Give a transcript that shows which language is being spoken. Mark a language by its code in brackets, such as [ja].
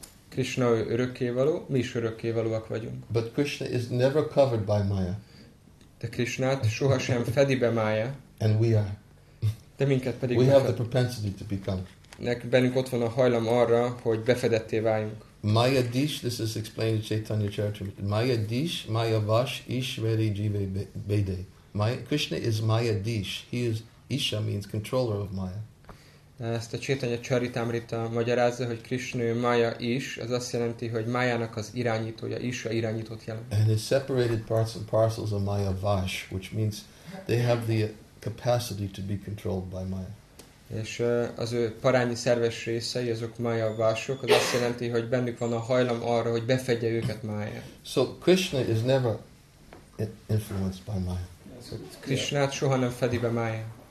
[hu] Krishna örökkévaló, mi is örökkévalóak vagyunk. [en] But Krishna is never covered by Maya. [hu] De Krishnát sohasem fedi be Maya. [en] And we are. [hu] De minket pedig [en] we have the propensity to become. [hu] Nekünk bennünk ott van a hajlam arra, hogy befedetté váljunk. [en] Maya dish, this is explained in Chaitanya Charitamrita. Maya dish, Maya vash, ish, ready, jive, bede. Krishna is Maya dish. He is Isha means controller of Maya. [hu] Ezt a Chaitanya Charitamrita magyarázza, hogy Krishna Maya is, ez azt jelenti, hogy Mayának az irányítója, Isha irányított jelent. [en] And his separated parts and parcels are Maya Vash, which means they have the capacity to be controlled by Maya. [hu] És az ő parányi szerves részei, azok Maya Vashok, az azt jelenti, hogy bennük van a hajlam arra, hogy befedje őket Maya. [en] So Krishna is never influenced by Maya. [hu] Krishnát soha nem fedi be Maya.